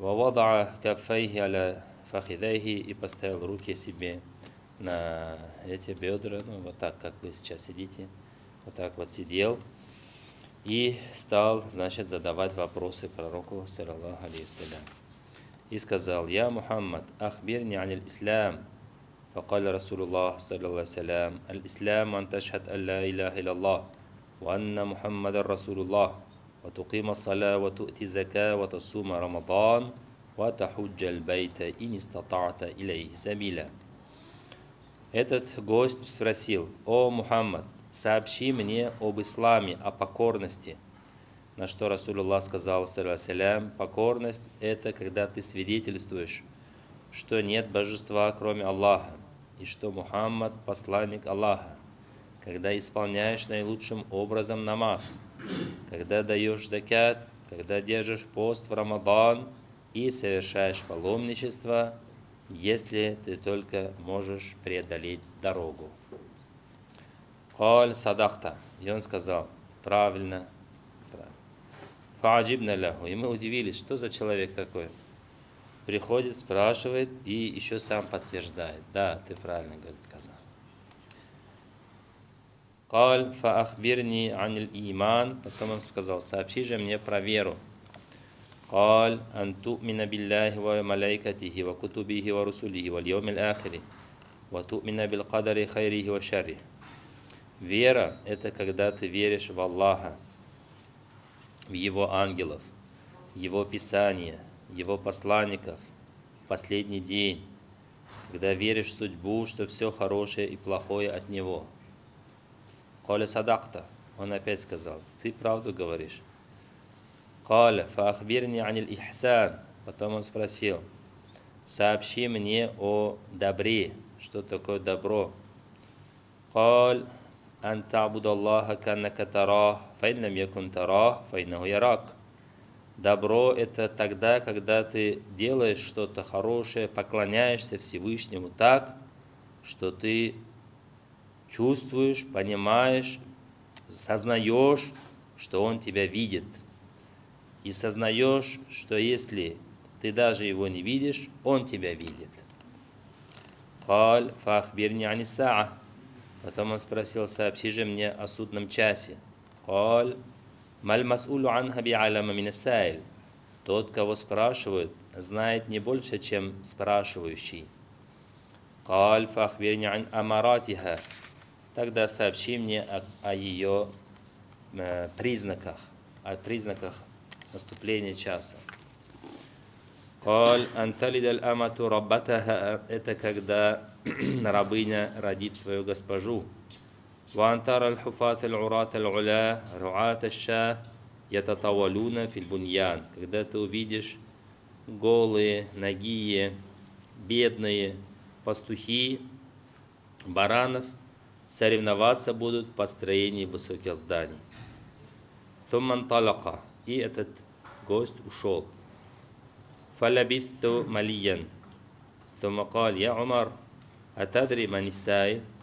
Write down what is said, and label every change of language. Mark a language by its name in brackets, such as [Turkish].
[Russian] И поставил руки себе на эти бедра, ну вот так, как вы сейчас сидите. Вот так вот сидел. И стал, значит, задавать вопросы пророку, салям. И сказал, [Arabic] «Я Мухаммад, ахбирни аниль ислам». فقال رسول الله صلى الله عليه وسلم الإسلام أن تشهد أن لا إله إلا الله وأن محمد رسول الله وتقيم الصلاة وتؤتي الزكاة وتصوم رمضان وتحج البيت إن استطعت إليه سبيلا. [Russian] Этот гость спросил: «О Мухаммад, сообщи мне об исламе, о покорности». На что Расулуллах сказал, салям, покорность – это когда ты свидетельствуешь, что нет божества, кроме Аллаха, и что Мухаммад – посланник Аллаха, когда исполняешь наилучшим образом намаз, когда даешь закят, когда держишь пост в Рамадан и совершаешь паломничество, если ты только можешь преодолеть дорогу. [Arabic] Коль садахта, [Russian] и он сказал, правильно, [Arabic] фааджибна ляху, [Russian] и мы удивились, что за человек такой. Приходит, спрашивает и еще сам подтверждает. Да, ты правильно, говорит, сказал. [Arabic] Коль фаахбирни аниль иман, [Russian] потом он сказал, сообщи же мне про веру. [Arabic] قال أن تؤمن بالله وملائكته وكتبه ورسله واليوم الآخر وتؤمن بالقدر خيره وشره. [Russian] Вера – это когда ты веришь в Аллаха, в Его ангелов, Его Писание, Его посланников, в последний день, когда веришь в судьбу, что все хорошее и плохое от Него. [Arabic] قال صدقت. [Russian] Он опять сказал, ты правду говоришь. [Arabic] قال فأخبرني عن الإحسان. [Russian] Потом он спросил, сообщи мне о добре, что такое добро. [Arabic] قال أن تعبد الله كأنك تراه فإن لم يكن تراه فإنه يراك. [Russian] Добро это тогда, когда ты делаешь что-то хорошее, поклоняешься Всевышнему так, что ты чувствуешь, понимаешь, сознаешь, что Он тебя видит. И сознаешь, что если ты даже его не видишь, он тебя видит. [Arabic] قال فأخبرني عن الساعة. [Russian] Потом он спросил, сообщи же мне о судном часе. [Arabic] قال ما المسؤول عنها بعلم من السائل. [Russian] Тот, кого спрашивают, знает не больше, чем спрашивающий. [Arabic] قال فأخبرني عن أماراتها. [Russian] Тогда сообщи мне о ее признаках, о признаках наступление часа. [Arabic] قال أن تلد الأمة ربتها. [Russian] Это когда рабыня родит свою госпожу. [Arabic] وأن ترى الحفاة العراة العلاة رعاة الشاة يتطاولون في البنيان. [Russian] Когда ты увидишь голые, нагие, бедные пастухи, баранов, соревноваться будут в построении высоких зданий. [Arabic] ثم انطلق. [Russian] И этот гость ушел. [Arabic] فَلَبِثْتُ مَلِيًّا ثُمَّ قَالْ يَا عُمَرْ أَتَدْرِ مَنِ السَّائِلِ.